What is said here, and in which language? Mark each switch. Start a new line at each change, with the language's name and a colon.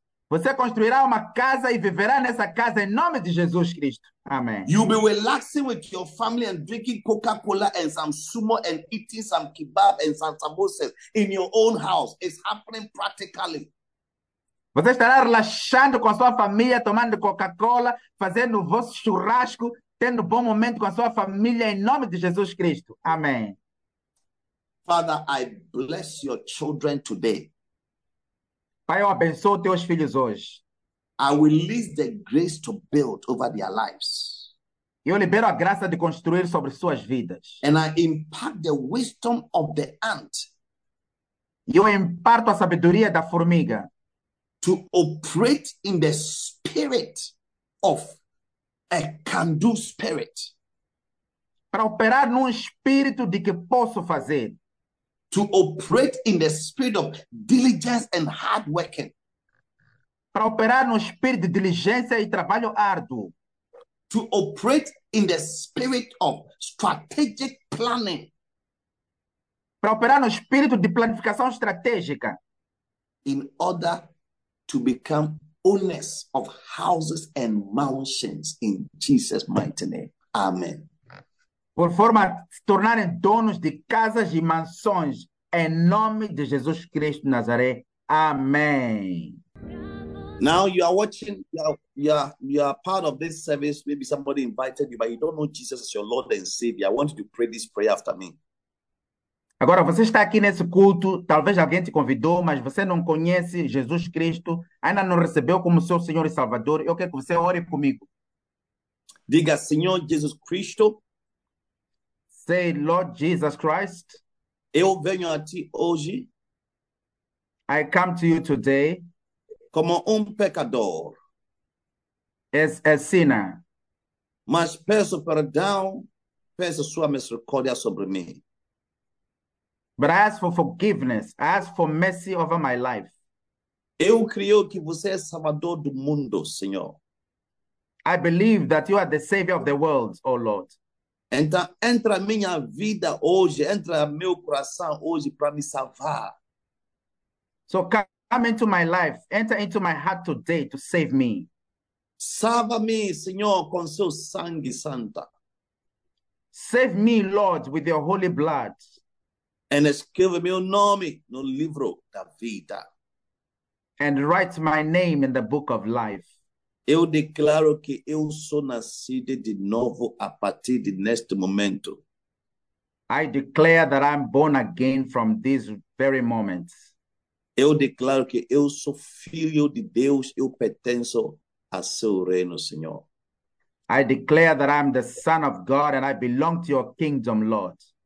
Portuguese: Você construirá uma casa e viverá nessa casa em nome de Jesus Cristo. Amém.
English: You'll be relaxing with your family and drinking Coca-Cola and some sumo and eating some kebab and some samosas in your own house. It's happening practically.
Portuguese: Você estará relaxando com a sua família, tomando Coca-Cola, fazendo o vosso churrasco, tendo bom momento com a sua família em nome de Jesus Cristo. Amém.
English: Father, I bless your children today.
Portuguese: Pai, eu abençoo teus filhos hoje.
English: I release the grace to build over their lives.
Portuguese: Eu libero a graça de construir sobre suas vidas.
English: And I impart the wisdom of the ant
Portuguese: Eu imparto a sabedoria da formiga
English: to operate in the spirit of a can-do spirit.
Portuguese: para operar num espírito de que posso fazer.
English: To operate in the spirit of diligence and hard working.
Portuguese: Para operar no espírito de diligência e trabalho árduo.
English: To operate in the spirit of strategic planning.
Portuguese: Para operar no espírito de planificação estratégica.
English: In order to become owners of houses and mansions in Jesus' mighty name. Amen.
Portuguese: Por forma a se tornarem donos de casas e mansões. Em nome de Jesus Cristo Nazaré. Amém.
English: Now you are watching, you are part of this service. Maybe somebody invited you, but you don't know Jesus as your Lord and Savior. I want you to pray this prayer after me.
Portuguese: Agora, você está aqui nesse culto, talvez alguém te convidou, mas você não conhece Jesus Cristo, ainda não recebeu como seu Senhor e Salvador. Eu quero que você ore comigo. Diga, Senhor Jesus Cristo.
English: Say, Lord Jesus Christ.
Portuguese: Eu venho a ti hoje.
English: I come to you today.
Portuguese: Como pecador.
English: As a sinner.
Portuguese: Mas peço perdão. Peço sua misericórdia sobre mim.
English: But I ask for forgiveness. I ask for mercy over my life.
Portuguese: Eu creio que você é salvador do mundo, Senhor.
English: I believe that you are the savior of the world, oh Lord.
Portuguese: Entra minha vida hoje, entra meu coração hoje para me salvar.
English: So come into my life, enter into my heart today to save me.
Portuguese: Salva-me, Senhor, com seu sangue santa.
English: Save me, Lord, with your holy blood.
Portuguese: And escreve meu nome no livro da vida.
English: And write my name in the book of life.
Portuguese: Eu declaro que eu sou nascido de novo a partir de neste momento.
English: I declare that I'm born again from this very moment.
Portuguese: Eu declaro que eu sou filho de Deus, eu pertenço ao seu reino, Senhor.
English: I declare that I'm the son of God and I belong to your kingdom, Lord.